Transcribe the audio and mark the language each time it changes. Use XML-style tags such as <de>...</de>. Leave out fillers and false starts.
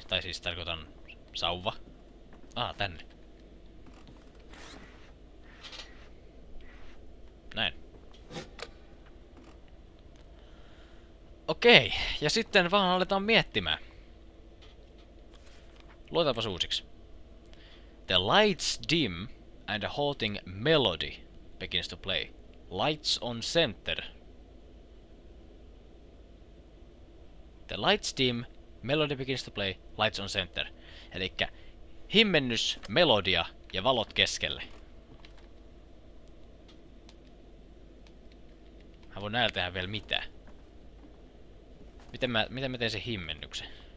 <fi>Tai siis tarkoitan sauva. Ah, tänne. Näin. Okei, ja sitten vaan aletaan miettimään. Luetaanpas uusiksi.</fi> <en>The lights dim and a haunting melody begins to play. Lights on center. The lights dim, melody begins to play, lights on center.</en> <fi>Elikkä himmennys, melodia ja valot keskelle. Mä voin näillä tehdä vielä mitään. Miten mä teen sen himmennyksen?</fi>